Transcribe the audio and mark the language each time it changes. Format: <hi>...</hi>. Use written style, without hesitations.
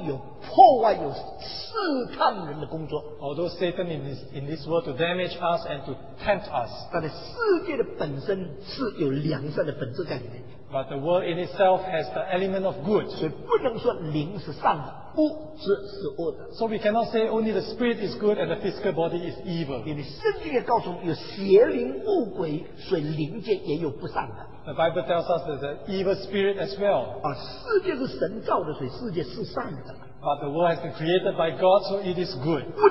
<zh>虽然撒旦在这个世界里面有干预、有破坏、有试探人的工作。</zh> <en>Although Satan is in this world to damage us and to tempt us.</en> <zh>但是世界的本身是有良善的本质在里面。</zh> <en>But the world in itself has the element of good.</en> <zh>所以不能说灵是善的，物质是恶的。</zh> <en>So we cannot say only the spirit is good and the physical body is evil.</en> <zh>因为圣经也告诉我们，有邪灵、恶鬼，所以灵界也有不善的。</zh> <en>The Bible tells us that the evil spirit as well.</en> <zh>世界是神造的，所以世界是善的。</zh> <en>But the world has been created by God, so it is good.</en>